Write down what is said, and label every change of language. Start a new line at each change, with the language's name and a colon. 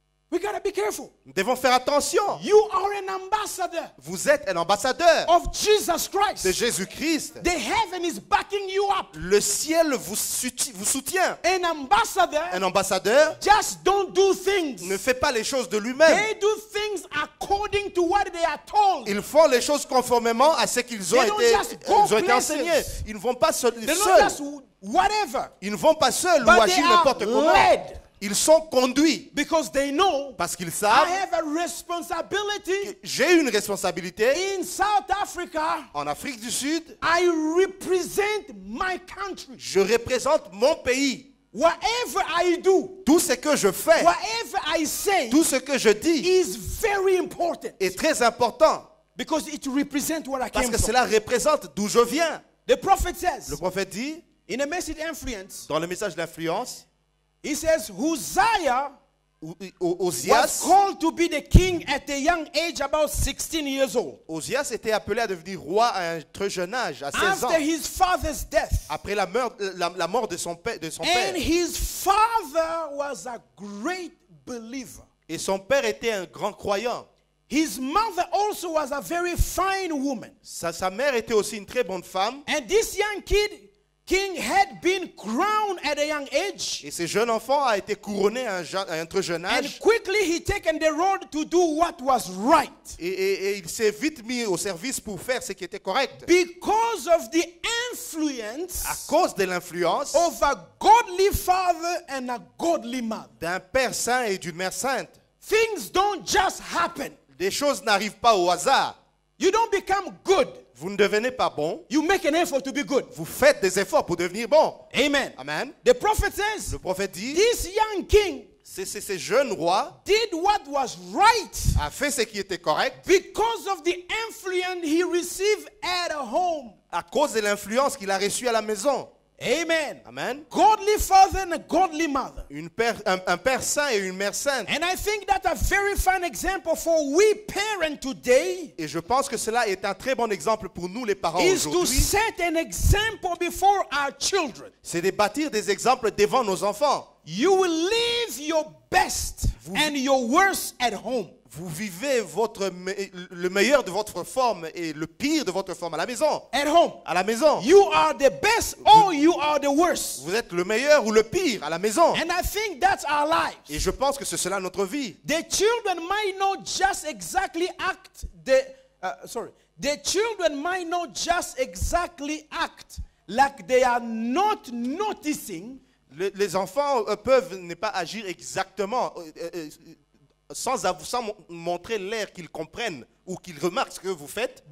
English: We gotta be careful.
French: Nous devons faire attention.
English: You are an ambassador.
French: Vous êtes un ambassadeur.
English: Of Jesus Christ.
French: De Jésus-Christ.
English: The heaven is backing you up.
French: Le ciel vous soutient.
English: An ambassador.
French: Un ambassadeur.
English: Just don't do things.
French: Ne fait pas les choses de lui-même.
English: They do things according to what they are told.
French: Ils font les choses conformément à ce qu'ils ont
English: they
French: été ils ont été enseignés. Ils ne vont pas seuls.
English: Whatever.
French: Ils ne vont pas seuls
English: but
French: ou agir n'importe
English: led.
French: Comment. Ils sont conduits
English: because they know
French: parce qu'ils savent que j'ai une responsabilité
English: in South Africa,
French: en Afrique du Sud.
English: I represent my country.
French: Je représente mon pays.
English: Whatever I do,
French: tout ce que je fais,
English: whatever I say,
French: tout ce que je dis
English: is very important
French: est très important
English: because it represents where I
French: parce
English: came
French: que
English: from.
French: Cela représente d'où je viens.
English: The prophet says,
French: le prophète dit
English: in a message influence,
French: dans le message d'influence.
English: He says, Uzziah
French: Ozias
English: was called to be the king at a young age, about 16 years old.
French: Ozias était appelé à devenir roi à un très jeune âge, à 16
English: after
French: ans.
English: His father's death.
French: Après la mort de son père.
English: And
French: père.
English: His father was a great believer.
French: Et son père était un grand croyant.
English: His mother also was a very fine woman.
French: Sa mère était aussi une très bonne femme.
English: And this young kid... King had been crowned at a young age.
French: Et ce jeune enfant a été couronné à un très jeune âge.
English: And quickly he taken the road to do what was right.
French: Et il s'est vite mis au service pour faire ce qui était correct.
English: Because of the influence.
French: À cause de l'influence.
English: Of a godly father and a godly mother.
French: D'un père saint et d'une mère sainte.
English: Things don't just happen.
French: Des choses n'arrivent pas au hasard.
English: You don't become good.
French: Vous ne devenez pas bon.
English: You make an effort to be good.
French: Vous faites des efforts pour devenir bon.
English: Amen.
French: Amen.
English: The prophet says,
French: le prophète dit,
English: this young king
French: ce jeune roi
English: did what was right
French: a fait ce qui était correct
English: because of the influence he received at home.
French: À cause de l'influence qu'il a reçue à la maison.
English: Amen.
French: Amen.
English: Godly father and a godly mother.
French: Un père saint et une mère sainte.
English: And I think that's a very fine example for we parents today.
French: Et je pense que cela est un très bon exemple pour nous les parents
English: is
French: aujourd'hui.
English: Is to set an example before our children.
French: C'est de bâtir des exemples devant nos enfants.
English: You will live your best and your worst at home.
French: Vous vivez le meilleur de votre forme et le pire de votre forme à la maison.
English: At home.
French: À la maison.
English: You are the best or you are the worst.
French: Vous êtes le meilleur ou le pire à la maison.
English: And I think that's our lives.
French: Et je pense que c'est cela notre vie.
English: The children might not just exactly act the children might not just exactly act like they are not noticing.
French: Les enfants peuvent ne pas agir exactement sans montrer l'air qu'ils comprennent ou qu'ils remarquent ce que vous faites.